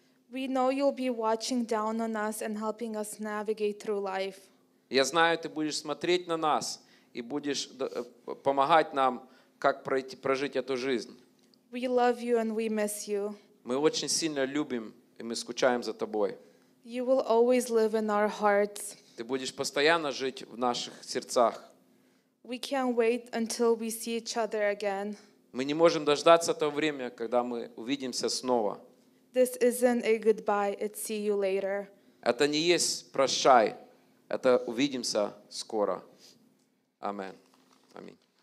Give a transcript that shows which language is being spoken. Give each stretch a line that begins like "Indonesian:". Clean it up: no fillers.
English: We know you'll be watching down on us and helping us navigate through life.
Russian: Я знаю, ты будешь смотреть на нас и будешь помогать нам, как прожить эту жизнь.
English: We love you and we miss you.
Russian: Мы очень сильно любим и мы скучаем за тобой.
English: You will always live in our hearts.
Russian: Ты будешь постоянно жить в наших сердцах.
English: We can't wait until we see each other again.
Russian: Мы не можем дождаться того времени, когда мы увидимся снова.
English: This isn't a goodbye, it's see you later.
Russian: Это не есть прощай, это увидимся скоро. Амен. Аминь.